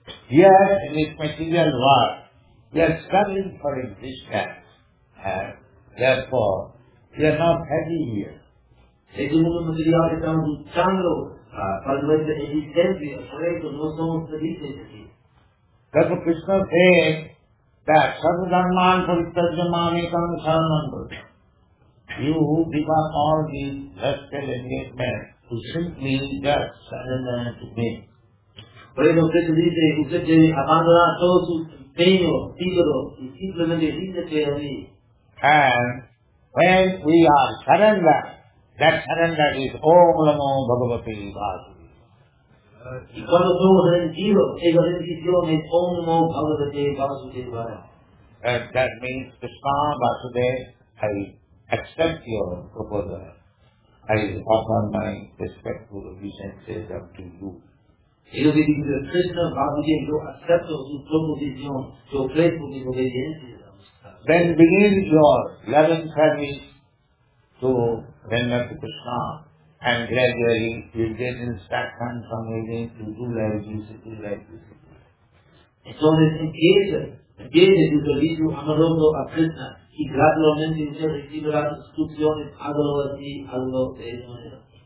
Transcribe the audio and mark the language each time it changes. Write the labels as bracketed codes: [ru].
[en] Yes, in this material world, we are struggling for existence, and therefore, we are not happy here. [es] Es un mundo material, estamos luchando para nuestra existencia, por eso no somos felices aquí. Pero [en] Krishna says that [sa] sarva-dharmān paritajyamāne kaṁ sarvam bhavati. [en] You who give up all these vested engagements to simply just surrender to me. [es] Por eso Krishna dice, usted tiene abandonado todos sus empeños, títulos, y simplemente ríndete a mí. [en] And when we are surrendered, that surrender is Om Namo Bhagavate Vasudevaya. [es] Y cuando somos rendidos, esa rendición es Om Namo Bhagavate Vasudevaya. [en] And that means Krishna Vasudeva, I accept your proposal. I offer my respectful obeisances up to you. [es] Eso significa que Krishna Vasudeva, yo acepto su proposición, su ofrezco mis obediencias. [en] Then begin your loving service to render to Krishna, and gradually you get instruction from within to do like this, to do like this. [es] Entonces empieza tu servicio amoroso a Krishna, y gradualmente usted recibirá instrucciones, hágalo así, hágalo de esa manera.